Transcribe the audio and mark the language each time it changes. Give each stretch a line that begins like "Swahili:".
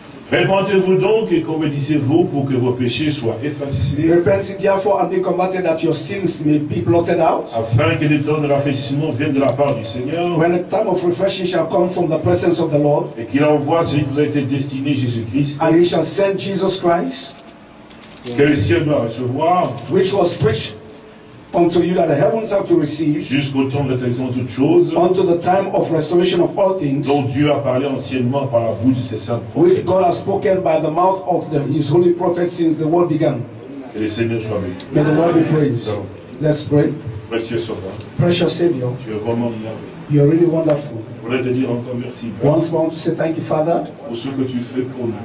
French: Répentez-vous donc et convertissez-vous pour que vos péchés soient effacés.
English: Repent therefore and be converted that your sins may be blotted out.
French: Afin que le temps de rafraîchissement vienne de la part du Seigneur.
English: When a time of refreshing shall come from the presence of the Lord.
French: Et qu'il envoie celui qui vous a été destiné, Jésus-Christ.
English: And he shall send Jesus Christ.
French: Que le ciel doit recevoir.
English: Which was preached unto you that the heavens have to receive,
French: jusqu'au temps de l'établissement de toutes choses,
English: unto the time of restoration of all things,
French: dont Dieu a parlé anciennement par la bouche de ses saints prophètes,
English: which God has spoken by the mouth of the, his holy prophets since the world began.
French: Que le Seigneur soit béni.
English: May the Lord be praised. So, let's pray.
French: Précieux Sauveur.
English: Precious Savior.
French: Tu es vraiment merveilleux.
English: You are really wonderful.
French: Je voulais te dire encore merci.
English: Once more, I want to say thank you, Father,
French: pour ce que tu fais pour nous.